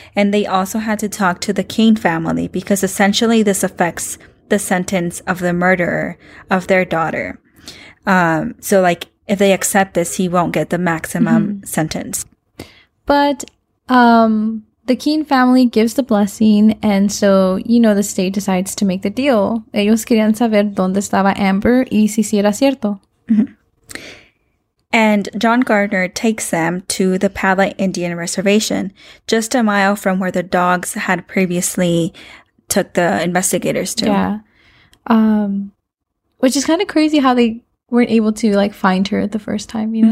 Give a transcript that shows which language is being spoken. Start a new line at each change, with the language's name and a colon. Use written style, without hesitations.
English: And they also had to talk to the Kane family because essentially this affects the sentence of the murderer of their daughter. So like, if they accept this, he won't get the maximum sentence. But the Keene family gives the blessing. And so, you know, the state decides to make the deal.
Spanish: Ellos querían saber dónde estaba Amber y si sí era cierto.
English: And John Gardner takes them to the Pala Indian Reservation, just a mile from where the dogs had previously took the investigators to. Yeah. Which is kind of crazy how they weren't able to, like, find her the first time, you know?